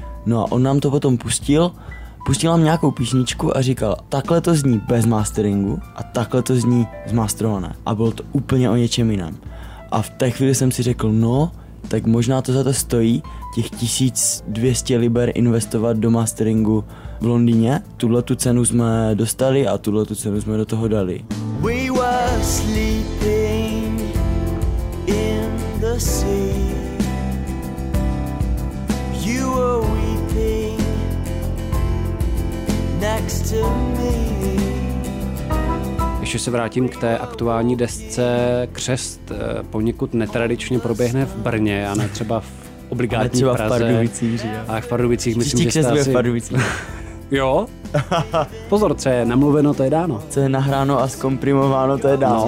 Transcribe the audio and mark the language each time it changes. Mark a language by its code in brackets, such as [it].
[cs] No a on nám to potom pustil nám nějakou písničku a říkal, takhle to zní bez masteringu a takhle to zní zmasterované. A bylo to úplně o něčem jiném. A v té chvíli jsem si řekl, no, tak možná to za to stojí, těch 1200 liber investovat do masteringu v Londýně. Tuhle tu cenu jsme dostali a tuhle tu cenu jsme do toho dali. [en] We were sleeping in the sea. You were weeping next to me. [cs] Ještě se vrátím k té aktuální desce. Křest poněkud netradičně proběhne v Brně a ne třeba v obligátní třeba Praze. V Pardubicích, že jo? A v Pardubicích, myslím, že jste asi... V Pardubicích. Jo? Pozor, co je namluveno, to je dáno. Co je nahráno a zkomprimováno, to je dáno.